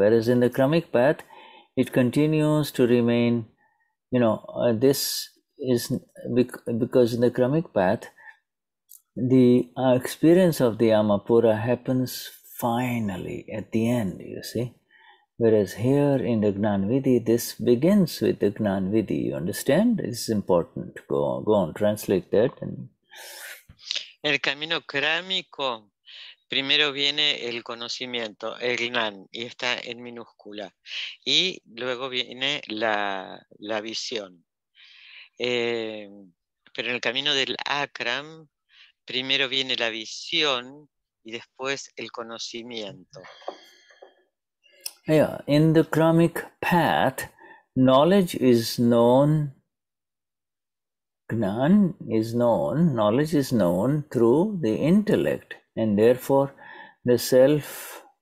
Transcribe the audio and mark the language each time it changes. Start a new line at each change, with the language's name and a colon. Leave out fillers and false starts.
English: Whereas in the karmic path, it continues to remain, you know, this is because in the karmic path, the experience of the Amapura happens finally at the end, you see. Whereas here in the Gnanvidhi, this begins with the Gnanvidhi, you understand? It's important. Go on, translate that. And...
Spanish: El camino krámico, primero viene el conocimiento, el Gnan, y está en minúscula. Y luego viene la visión. Pero en el camino del Akram, primero viene la visión y después el conocimiento.
English: Yeah, in the karmic path, knowledge is known. Gnan is known. Knowledge is known through the intellect, and therefore, the self.